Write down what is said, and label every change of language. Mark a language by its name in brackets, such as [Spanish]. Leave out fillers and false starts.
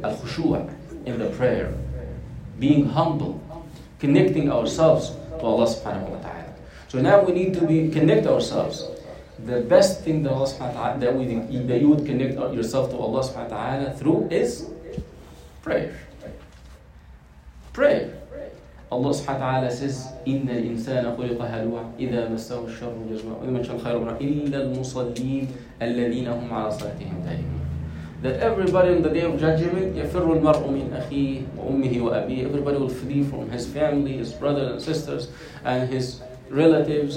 [English] Al khushu' in the prayer. Being humble. Connecting ourselves to Allah subhanahu wa ta'ala. So now we need to be connect ourselves. The best thing that Allah subhanahu wa ta'ala, that you would connect yourself to Allah subhanahu wa ta'ala through is prayer. Prayer. Allah subhanahu wa ta'ala says, [Arabic] إِنَّ الْإِنسَانَ خُلِقَ هَلُوعًا إِذَا مَسَّهُ الشَّرُّ جَزْمَهُ وَإِذَا مَسَّهُ الْخَيْرُ مَنَعًا إِلَّا الْمُصَلِّينَ الَّذِينَ هُمْ عَلَى صَلَاتِهِمْ دَائِمُونَ. [English] That everybody in the day of judgment, [Arabic] يَفِرُّ الْمَرْءُ مِنْ أَخِيهِ وَأُمِّهِ وَأَبِيهِ. [English] Everybody will flee from his family, his brothers and sisters, and his relatives.